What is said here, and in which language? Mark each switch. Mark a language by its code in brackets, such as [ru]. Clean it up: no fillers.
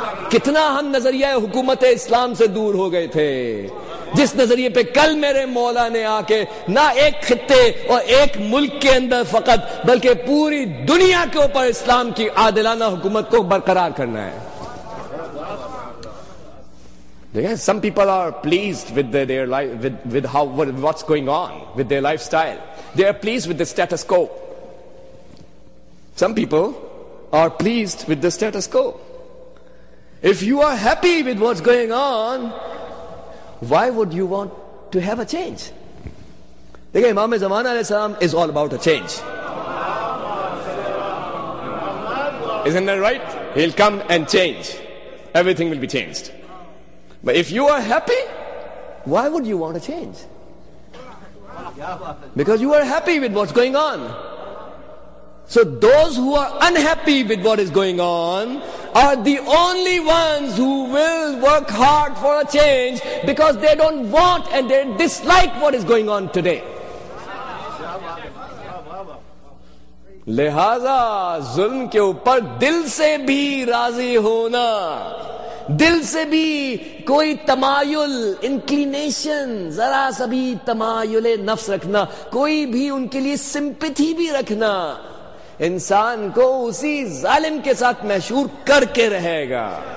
[ur] کتنا ہم نظریہ حکومت اسلام سے دور ہو گئے تھے، جس نظریے پہ کل میرے مولا نے آ کے نہ ایک خطے اور ایک ملک کے اندر فقط بلکہ پوری دنیا کے اوپر اسلام کی عادلانہ حکومت کو برقرار کرنا ہے۔ [en] Some people are pleased with their life, with how, what's going on with their lifestyle. They are pleased with the status quo. Some people are pleased with the status quo. If you are happy with what's going on, why would you want to have a change? Dekhiye, Imam Zaman Alaihi Salam is all about a change. Isn't that right? He'll come and change. Everything will be changed. But if you are happy, why would you want to change? Because you are happy with what's going on. So those who are unhappy with what is going on are the only ones who will work hard for a change, because they don't want and they dislike what is going on today. [ur] لہذا ظلم کے اوپر دل سے بھی راضی ہونا, دل سے بھی کوئی تمایل, انکلینیشن, ذرا سا بھی تمایل نفس رکھنا, کوئی بھی ان کے لیے سمپتھی بھی رکھنا, انسان کو اسی ظالم کے ساتھ محشور کر کے رہے گا.